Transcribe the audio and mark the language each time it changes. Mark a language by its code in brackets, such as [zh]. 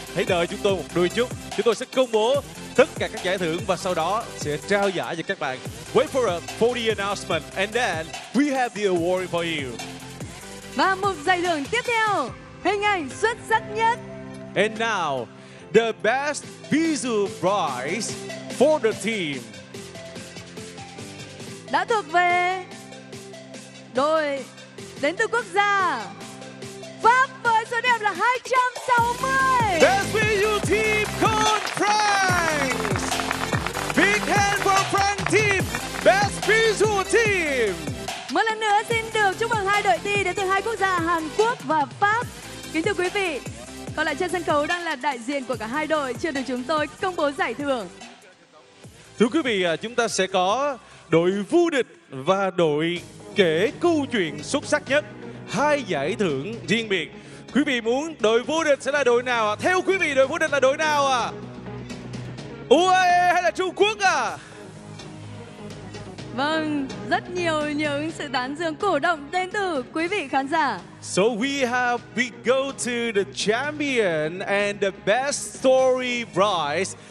[vi] Hãy đợi chúng tôi một đôi chút. Chúng tôi sẽ công bố tất cả các giải thưởng và sau đó sẽ trao giải cho các bạn. [en] Wait for us for the announcement and then we have the award for you. [vi] Và một giải thưởng tiếp theo, hình ảnh xuất sắc nhất. [en] And now, the best visual prize for the team. [vi] Đã thuộc về đội đến từ quốc gia Pháp với số điểm là 260. [en] Best visual team called France. Big hand for France team, best visual team. [vi] Một lần nữa xin được chúc mừng hai đội thi đến từ hai quốc gia Hàn Quốc và Pháp. Kính thưa quý vị, còn lại trên sân khấu đang là đại diện của cả hai đội chưa được chúng tôi công bố giải thưởng. Thưa quý vị, chúng ta sẽ có đội vô địch và đội kể câu chuyện xuất sắc nhất, hai giải thưởng riêng biệt. Quý vị muốn đội vô địch sẽ là đội nào ạ? Theo quý vị, đội vô địch là đội nào ạ? UAE hay là Trung Quốc ạ? Vâng, rất nhiều những sự tán dương cổ động đến từ quý vị khán giả. [en] So we go to the champion and the best story prize.